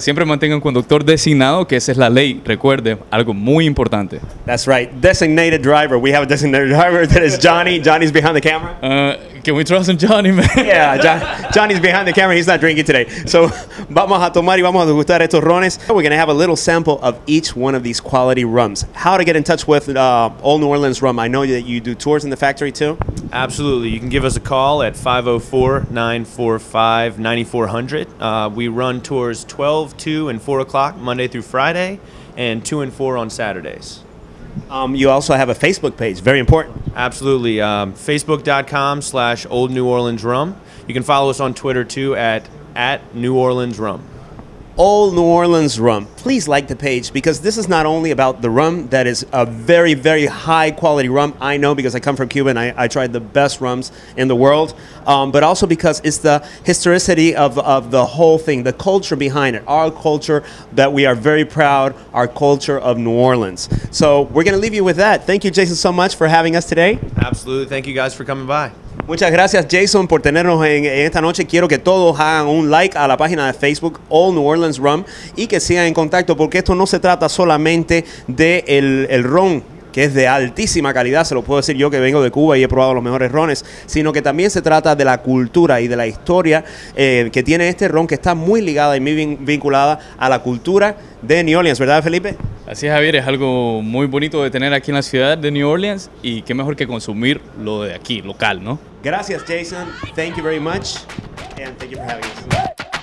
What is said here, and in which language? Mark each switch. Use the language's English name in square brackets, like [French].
[Spanish] Siempre mantenga un conductor designado, que esa es la ley. Recuerde, algo muy importante. [English] That's right. Designated driver. We have a designated driver. That is Johnny. Johnny's behind the camera. Can we trust in Johnny, man? Yeah, Johnny's behind the camera. He's not drinking today. [Spanish] So, vamos a tomar y vamos a degustar estos rones. [English] We're going to have a little sample of each one of these quality rums. How to get in touch with Old New Orleans Rum. I know that you do tours in the factory, too. Absolutely. You can give us a call at 504-945-9400. We run tours 12, 2, and 4 o'clock, Monday through Friday, and 2 and 4 on Saturdays. You also have a Facebook page, very important. Absolutely, facebook.com/Old New Orleans Rum. You can follow us on Twitter too at New Orleans Rum. Old New Orleans Rum. Please like the page, because this is not only about the rum. That is a very, very high quality rum. I know, because I come from Cuba and I tried the best rums in the world. But also because it's the historicity of the whole thing, the culture behind it, our culture that we are very proud, our culture of New Orleans. So we're going to leave you with that. Thank you, Jason, so much for having us today. Absolutely. Thank you guys for coming by. [Spanish] Muchas gracias, Jason, por tenernos en esta noche. Quiero que todos hagan un like a la página de Facebook, All New Orleans Rum, y que sigan en contacto, porque esto no se trata solamente de el ron, que es de altísima calidad, se lo puedo decir yo que vengo de Cuba y he probado los mejores rones, sino que también se trata de la cultura y de la historia que tiene este ron, que está muy ligada y muy vinculada a la cultura de New Orleans, ¿verdad, Felipe? Así es, Javier, es algo muy bonito de tener aquí en la ciudad de New Orleans, y qué mejor que consumir lo de aquí, local, ¿no? Gracias, [English] Jason. Thank you very much. And thank you for having us.